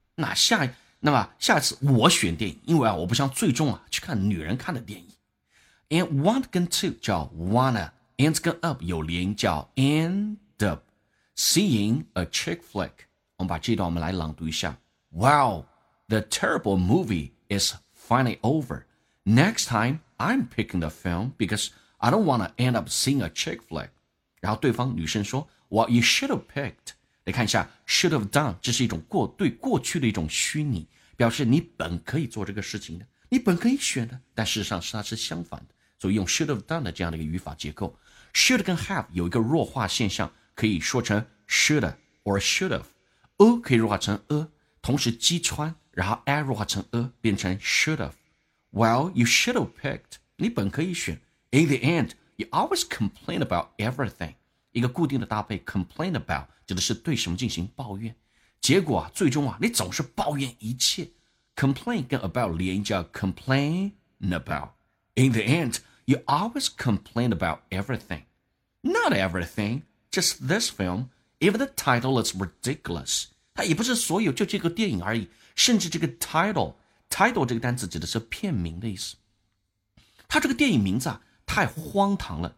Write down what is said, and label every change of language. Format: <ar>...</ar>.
<zh>那么下一次我选电影，因为啊，我不想最终啊去看女人看的电影。</zh> <en>And want</en> <zh>跟</zh> <en>to 叫 wanna，and 跟 up</en> <zh>有连叫</zh> <en>end up seeing a chick flick。</en> <zh>我们把这段我们来朗读一下 ，Wow。</zh> <en>The terrible movie is finally over. Next time, I'm picking the film because I don't want to end up seeing a chick flick.</en> <zh>然后对方女生说</zh> <en>Well, you should have picked.</en> <zh>你看一下</zh> <en>should have done,</en> <zh>这是一种对过去的一种虚拟，表示你本可以做这个事情的，你本可以选的，但事实上是它是相反的。所以用</zh> <en>should have done</en> <zh>的这样的一个语法结构， should 跟 have 有一个弱化现象，可以说成</zh> <en>shoulda or should have，</en> <zh>可以弱化成同时击穿，然后 r 弱化成 变成 should have.</zh> <en>Well, you should have picked.</en> <zh>你本可以选。</zh> <en>In the end, you always complain about everything.</en> <zh>一个固定的搭配 complain about 指的是对什么进行抱怨。结果啊，最终啊，你总是抱怨一切。</zh> <en>Complain</en> <zh>跟</zh> <en>about</en> <zh>连叫</zh> <en>complain about. In the end, you always complain about everything. Not everything, just this film. Even the title is ridiculous.</en> <zh>它也不是所有，就这个电影而已。甚至这个 title 这个单词指的是片名的意思。它这个电影名字啊，太荒唐了。</zh>